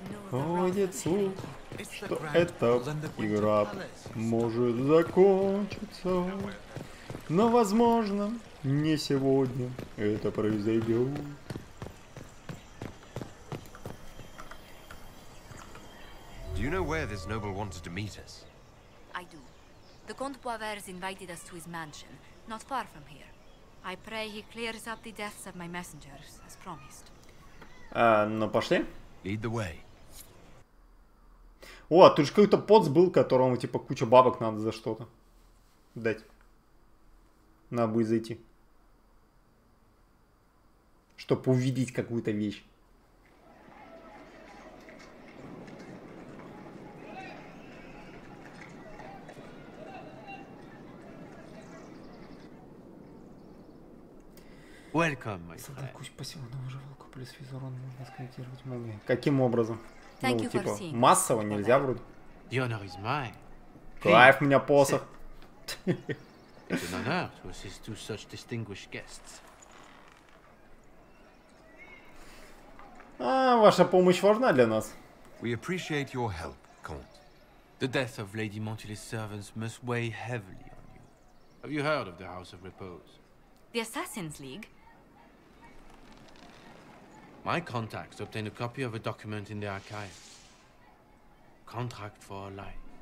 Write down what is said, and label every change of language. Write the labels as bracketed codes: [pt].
[ru] Ходит слух, что эта игра может закончиться. Но, возможно, не сегодня это произойдет. [en] Do you know where this noble wanted to meet us? I do. The Comte Boisvert invited us to his mansion, not far from here. I pray he clears up the deaths of my messengers, as promised. [ru] Ну пошли. [en] Lead the way. [ru] О, а тут же какой-то поц был, которому типа куча бабок надо за что-то дать. Надо будет зайти. Чтоб увидеть какую-то вещь. [en] Welcome, my friend. [ru] Каким образом? Ну, типа, массово нельзя вроде. [en] The honor is mine. [ru] Кайф, у меня посох. [en] It's an honor to assist two such distinguished guests. [ru] А, ваша помощь важна для нас. [en] We appreciate your help, Comte. The death of Lady Montilly's servants must weigh heavily on you. Have you heard of the House of Repose? The Assassins League? My contacts obtained a copy of a document in the archives. Contract for life.